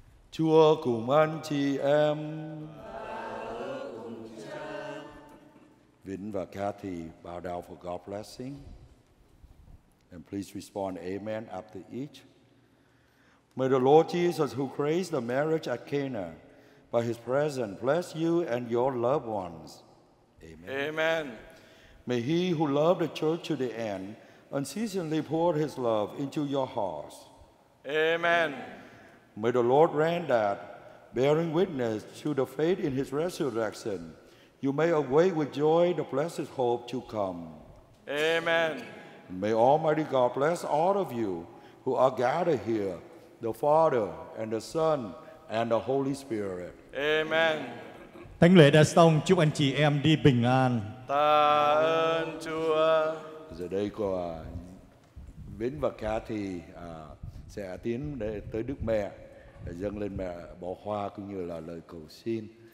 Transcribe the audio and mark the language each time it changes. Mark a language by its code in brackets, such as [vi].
[vi] Chúa cùng anh chị em. [en] Vinh và Cathy bow down for God's blessing. And please respond amen after each. May the Lord Jesus, who created the marriage at Cana, by his presence bless you and your loved ones. Amen. Amen. May he who loved the church to the end unceasingly pour his love into your hearts. Amen. May the Lord grant that, bearing witness to the faith in his resurrection, you may awake with joy the blessed hope to come. Amen. May Almighty God bless all of you who are gathered here, the Father and the Son and the Holy Spirit. Amen. [vi] Thánh lễ đã xong, chúc anh chị em đi bình an. Tạ ơn Chúa. Giờ đây của Vinh và Cathy sẽ tiến tới Đức Mẹ để dâng lên Mẹ bó hoa cũng như là lời cầu xin.